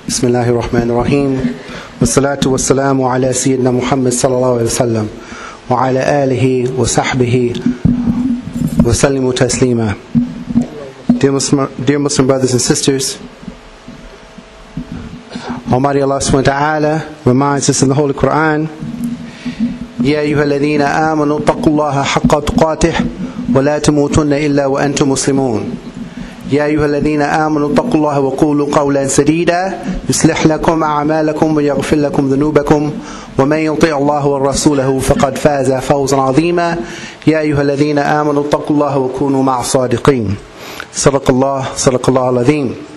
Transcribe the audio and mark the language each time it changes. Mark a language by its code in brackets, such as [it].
[ar] بسم الله الرحمن الرحيم والصلاة والسلام على سيدنا محمد صلى الله عليه وسلم وعلى آله وصحبه وسلم تسليما. [en] Dear Muslim brothers and sisters, Almighty Allah subhanahu wa ta'ala reminds us in the Holy Quran, [ar] يا أيها الذين آمنوا اتقوا الله حق تقاته ولا تموتن إلا وأنتم مسلمون. يا أيها الذين آمنوا اتقوا الله وقولوا قولا سديدا يصلح لكم أعمالكم ويغفر لكم ذنوبكم ومن يطع الله ورسوله فقد فاز فوزا عظيما. يا أيها الذين آمنوا اتقوا الله وكونوا مع الصادقين. صدق الله صدق الله العظيم.